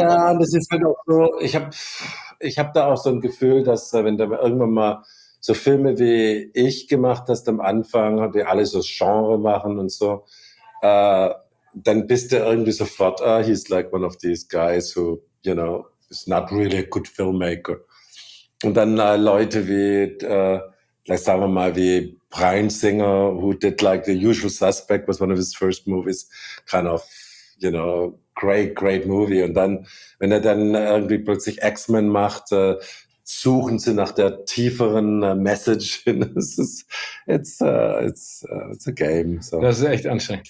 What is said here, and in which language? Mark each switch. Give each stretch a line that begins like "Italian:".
German: Ja, das ist halt auch so, ich hab da auch so ein Gefühl, dass wenn da irgendwann mal so Filme wie ich gemacht hast am Anfang, die alle so Genre machen und so, dann bist du irgendwie sofort,
English: he's like one of these guys who, you know, is not really a good filmmaker.
German: Und dann Leute wie, like, sagen wir mal, wie
English: Bryan Singer, who did like The Usual Suspect, was one of his first movies, kind of, you know, great, great movie.
German: Und dann, wenn er dann irgendwie plötzlich X-Men macht, suchen sie nach der tieferen Message.
English: it's a game. So.
German: Das ist echt anstrengend.